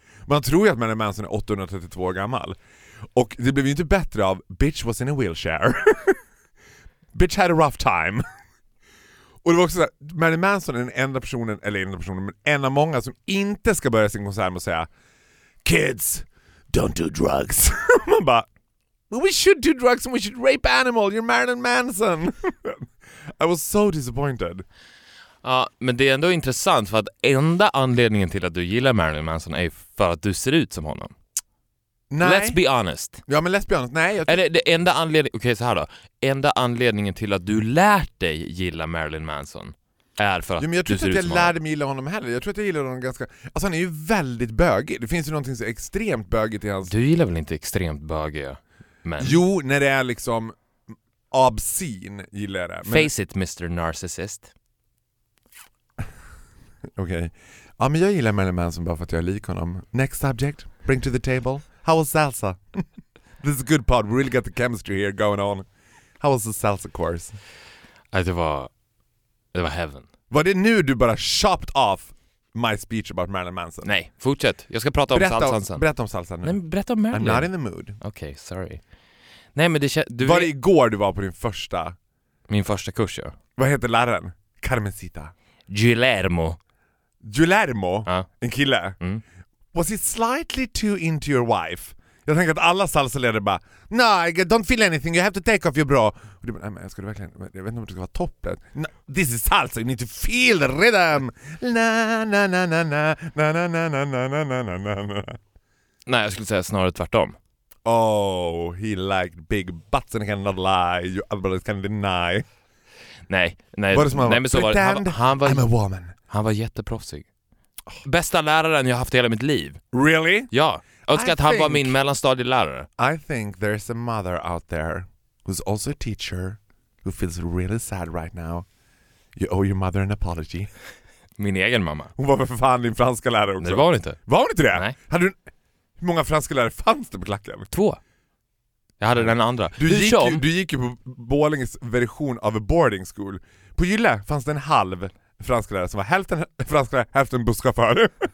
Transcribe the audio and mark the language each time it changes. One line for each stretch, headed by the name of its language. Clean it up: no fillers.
Swedish: Man tror ju att Marilyn Manson är 832 år gammal. Och det blev ju inte bättre av
English: bitch was in a wheelchair. Bitch had a rough time.
Swedish: Och det var också såhär, Marilyn Manson är den enda personen, eller enda personen, men en av många som inte ska börja sin konsert med att säga
English: kids, don't do drugs.
Swedish: Man bara,
English: we should do drugs and we should rape animal. You're Marilyn Manson. I was so disappointed.
Swedish: Ja, men det är ändå intressant för att enda anledningen till att du gillar Marilyn Manson är för att du ser ut som honom. Nej.
English: Let's be honest.
Swedish: Ja, men
English: let's be honest.
Swedish: Nej, jag Eller det enda anledningen, okej, så här då. Enda anledningen till att du lärt dig gilla Marilyn Manson är för att du ser ut som honom. Jag tror inte att jag lärde mig gilla honom heller. Jag tror att jag gillar honom ganska... alltså han är ju väldigt bögig. Det finns ju någonting så extremt bögigt i hans... Du gillar väl inte extremt bögig, ja? Men. Jo, när det är liksom obscene gillar jag det.
English: Men face it, Mr. Narcissist.
Swedish: Okej. Okay. Ja, men jag gillar Marilyn Manson bara för att jag är lik honom.
English: Next subject, bring to the table. How was salsa? This is a good part. We really got the chemistry here going on. How was the salsa course?
Swedish: Det var heaven. Var det nu du bara
English: chopped off my speech about
Swedish: Marilyn Manson? Nej, fortsätt. Jag ska prata berätta om salsan. Berätta om salsan nu. Nej, berätta om Marilyn.
English: I'm not in the mood.
Swedish: Okej, okay, sorry. Nej, men du var det igår du var på din första... min första kurs, ja. Vad heter läraren? Carmencita. Guillermo. Guillermo? Ja. En kille? Mm.
English: Was he slightly too into your wife?
Swedish: Jag tänker att alla salsaledare bara nej,
English: nah, don't feel anything, you have to take off your bra.
Swedish: Och du bara, nej men ska du verkligen, jag vet inte om det ska vara topplet.
English: No, this is salsa, you need to feel the rhythm. Na na na na na na na na na na na na na na na.
Swedish: Nej, jag skulle säga snarare tvärtom.
English: Oh, he liked big butts and cannot lie, you otherwise can deny.
Swedish: Nej, nej, nej, man, nej men så var det. Han var
English: I'm a woman.
Swedish: Han var jätteproffsig. Bästa läraren jag haft i hela mitt liv.
English: Really?
Swedish: Ja. Jag önskar att han var min mellanstadielärare.
English: I think there's a mother out there who's also a teacher who feels really sad right now. You owe your mother an apology.
Swedish: Min egen mamma. Hon var väl för fan din franska lärare också? Nej, var hon inte. Var hon inte det? Nej. Hade du, hur många franska lärare fanns det på klacken? Två. Jag hade den andra. Du gick ju på Borlänges version av
English: a boarding school.
Swedish: På Gylle fanns det en halv franska lärare som var hälften franska lärare, hälften busschaufför.